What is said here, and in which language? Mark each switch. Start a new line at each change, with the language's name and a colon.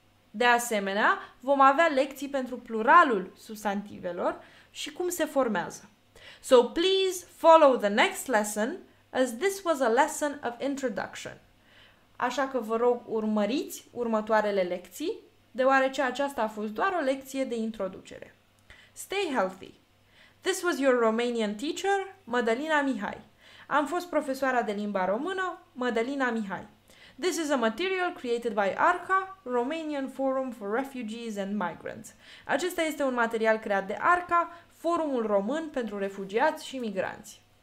Romanian: De asemenea, vom avea lecții pentru pluralul substantivelor și cum se formează.
English: So please follow the next lesson, as this was a lesson of introduction.
Romanian: Așa că vă rog urmăriți următoarele lecții, deoarece aceasta a fost doar o lecție de introducere.
English: Stay healthy! This was your Romanian teacher,
Romanian: Mădălina Mihai. Am fost profesoara de limba română, Mădălina Mihai.
English: This is a material created by ARCA, Romanian Forum for Refugees and Migrants.
Romanian: Acesta este un material creat de ARCA, Forumul Român pentru Refugiați și Migranți.